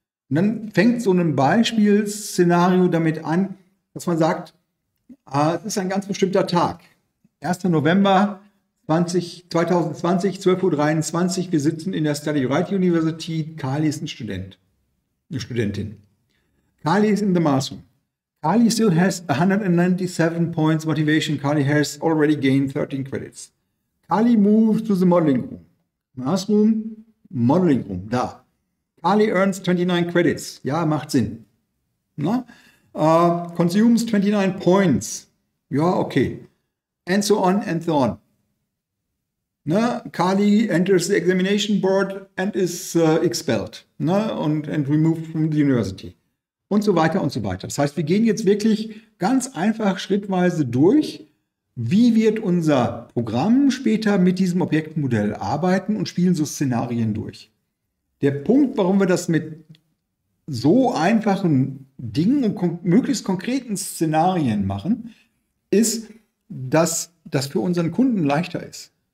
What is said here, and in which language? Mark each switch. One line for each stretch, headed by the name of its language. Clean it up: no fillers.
German: Und dann fängt so ein Beispielszenario damit an, dass man sagt, es ist ein ganz bestimmter Tag. 1. November 2020, 12.23 Uhr, wir sitzen in der Study Right University, Kali ist ein Student, eine Studentin.
English: Kali ist in the Master. Kali still has 197 points motivation. Kali has already gained 13 credits. Kali moves to the modeling room. Classroom, Modeling Room, da. Kali earns 29 Credits.
German: Ja, macht Sinn.
English: Na? Consumes 29 Points.
German: Ja, okay.
English: And so on and so on. Na? Kali enters the examination board and is expelled. Na? And removed from the university.
German: Und so weiter und so weiter. Das heißt, wir gehen jetzt wirklich ganz einfach schrittweise durch. Wie wird unser Programm später mit diesem Objektmodell arbeiten und spielen so Szenarien durch? Der Punkt, warum wir das mit so einfachen Dingen und möglichst konkreten Szenarien machen, ist, dass das für unseren Kunden leichter ist.